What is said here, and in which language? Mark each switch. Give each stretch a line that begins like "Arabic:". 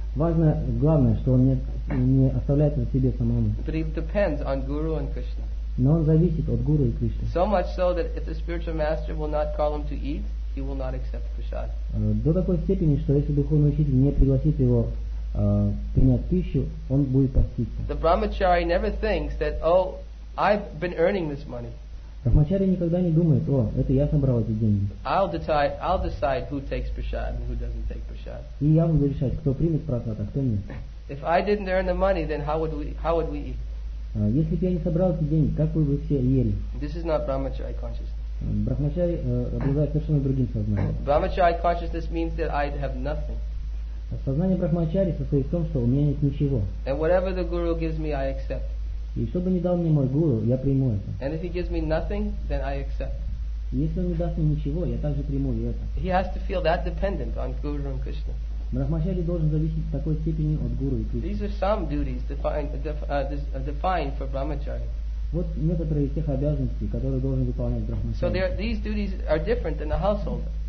Russian: Важно, главное, что он не оставляет это себе самому.
English: But he depends on Guru and Krishna.
Russian: Но он зависит от Гуру и Кришны.
English: So much so that if the spiritual master will not call him to eat, he will not accept prasad.
Russian: До такой степени, что если духовный учитель не пригласит его принять пищу, он будет поститься.
English: The brahmachari never thinks that, oh, I've been earning this money.
Russian: Брахмачари никогда не думает, о, это я собрал эти деньги.
English: I'll decide who takes prasad and who doesn't take prasad.
Russian: И я буду решать, кто примет прасад, а кто нет.
English: If I didn't earn the money, then how would we eat?
Russian: Если бы я не собрал эти деньги, как бы вы все ели?
English: This is not brahmachari consciousness.
Russian: Брахмачари обладает совершенно другим сознанием.
English: Brahmachari consciousness means that I have nothing.
Russian: Сознание брахмачари состоит в том, что у меня нет ничего.
English: And whatever the guru gives me, I accept.
Russian: И что бы ни дал мне мой гуру, я приму это.
English: And if he gives me nothing, then I accept.
Russian: Если он не даст мне ничего, я также приму и это.
English: He has to feel that dependent on Guru and Krishna.
Russian: Брахмачари должен зависеть в такой степени от гуру и Кришны.
English: These are some duties defined for brahmachari.
Russian: Вот некоторые из тех обязанностей, которые должен выполнять брахмачари.
English: So these duties are different than the household.